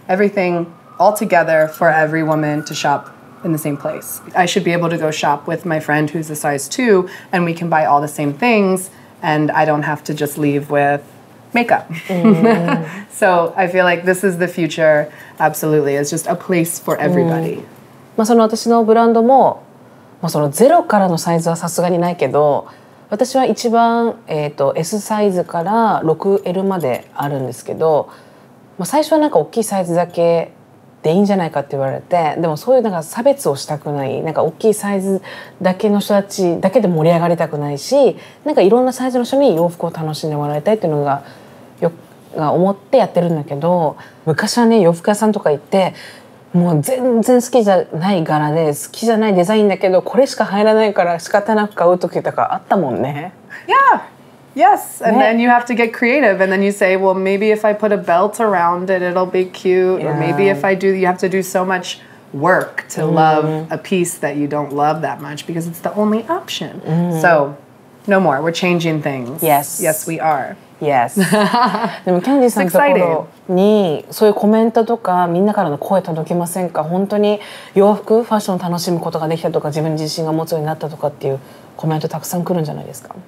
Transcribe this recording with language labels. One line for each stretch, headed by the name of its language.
English: Everything all together for every woman to shop in the same place. I should be able to go shop with my friend who's a size 2, and we can buy all the same things, and I don't have to just leave with makeup.、Mm. So I feel like this is the future, absolutely. It's just a place for everybody.、 Mm.
Japanese: まあ、その私のブランドも、まあ、そのゼロからのサイズはさすがにないけど、私は一番、S サイズから 6L まであるんですけど、まあ、最初はなんか大きいサイズだけでいいんじゃないかって言われて、でもそういうなんか差別をしたくない、なんか大きいサイズだけの人たちだけで盛り上がりたくないし、なんかいろんなサイズの人に洋服を楽しんでもらいたいっていうのがよが思ってやってるんだけど、昔はね洋服屋さんとか行って、もう全然好きじゃない柄で好きじゃないデザインだけど、これしか入らないから仕方なく買う時とかあったもんね。
English: Yeah, yes, and、ね、then you have to get creative, and then you say, well, maybe if I put a belt around it, it'll be cute,、yeah. or maybe if I do, you have to do so much work to、mm-hmm. love a piece that you don't love that much, because it's the only option.、Mm-hmm. So, no more, we're changing things. Yes. Yes, we are. Yes.
Japanese: でもキャンディさんのところにそういうコメントとかみんなからの声届きませんか？本当に洋服ファッションを楽しむことができたとか、自分自身が持つようになったとかっていうコメントたくさん来るんじゃないですか？